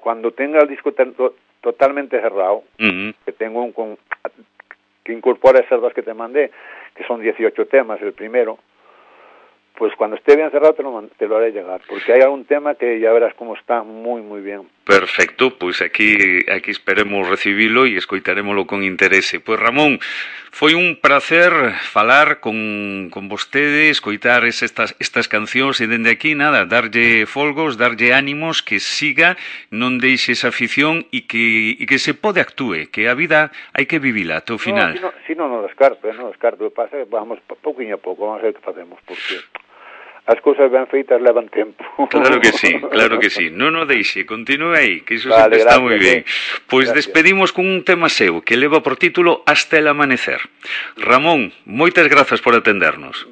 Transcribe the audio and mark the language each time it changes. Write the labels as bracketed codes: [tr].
[es] Cando tenga o disco totalmente cerrado, que tengo que incorpora esas dos que te mandé, que son 18 temas, el primero, pues cuando esté bien cerrado te lo haré llegar, porque hay algún tema que ya verás cómo está muy, muy bien. [gl] Perfecto, pues aquí esperemos recibirlo y escoitaremoslo con interés. Pues Ramón, foi un placer falar con vostedes, escoitar estas cancións, e dende aquí, nada, darlle folgos, darlle ánimos, que siga, non deixe esa afición e que se pode actúe, que a vida hai que vivila até o final. Non descarto, pasa que vamos poquinho a pouco, vamos a ver que facemos, porque as cousas ben feitas levan tempo. Claro que sí, claro que sí. Non o deixe, continue aí, que iso vale, está moi ben. Pois despedimos con un tema seu, que leva por título Hasta el amanecer. Ramón, moitas grazas por atendernos.